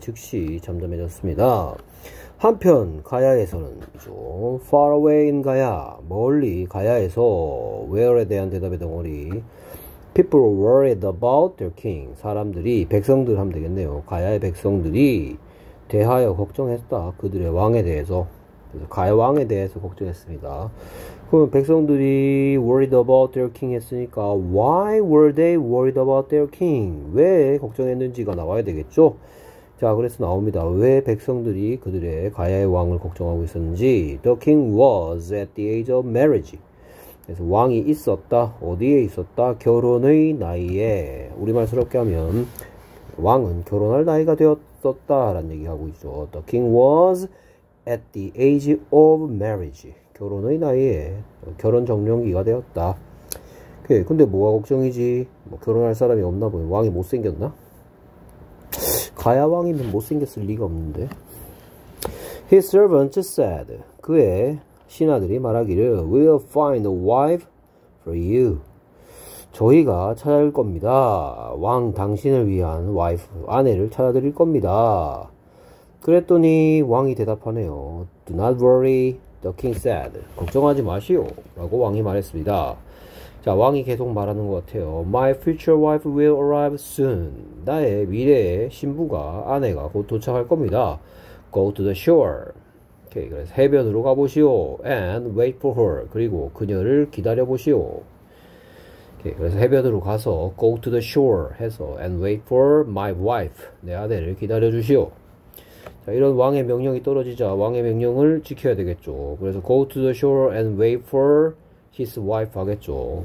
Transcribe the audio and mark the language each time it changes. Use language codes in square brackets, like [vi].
[ko] 즉시 잠잠해졌습니다. 한편 가야에서는 좀 [en] far away in [ko] 가야, 멀리 가야에서 where에 대한 대답의 덩어리. [en] People worried about their king. [ko] 사람들이, 백성들 하면 되겠네요. 가야의 백성들이 대하여 걱정했다. 그들의 왕에 대해서. 그래서 가야 왕에 대해서 걱정했습니다. 그럼 백성들이 [en] worried about their king [ko] 했으니까, [en] why were they worried about their king? [ko] 왜 걱정했는지가 나와야 되겠죠? 자, 그래서 나옵니다. 왜 백성들이 그들의 가야의 왕을 걱정하고 있었는지. [en] The king was at the age of marriage. [ko] 그래서 왕이 있었다, 어디에 있었다, 결혼의 나이에. 우리말스럽게 하면 왕은 결혼할 나이가 되었었다라는 얘기하고 있죠. [en] The king was at the age of marriage. [ko] 결혼의 나이에 결혼 적령기가 되었다. 그래, 근데 뭐가 걱정이지? 뭐 결혼할 사람이 없나 보네. 왕이 못생겼나? 가야 왕이면 못생겼을 리가 없는데. [en] His servants said, [ko] 그의 신하들이 말하기를, [en] We'll find a wife for you. [ko] 저희가 찾아줄 겁니다. 왕 당신을 위한 와이프, 아내를 찾아드릴 겁니다. 그랬더니 왕이 대답하네요. [en] Do not worry, the king said. [ko] 걱정하지 마시오. 라고 왕이 말했습니다. 자, 왕이 계속 말하는 것 같아요. [en] My future wife will arrive soon. [ko] 나의 미래의 신부가, 아내가 곧 도착할 겁니다. [en] Go to the shore. [ko] 오케이, 그래서 해변으로 가보시오. [en] And wait for her. [ko] 그리고 그녀를 기다려보시오. 오케이, 그래서 해변으로 가서 [en] go to the shore [ko] 해서 [en] and wait for my wife. [ko] 내 아내를 기다려주시오. 자, 이런 왕의 명령이 떨어지자 왕의 명령을 지켜야 되겠죠. 그래서 [en] go to the shore and wait for his wife [ko] 하겠죠.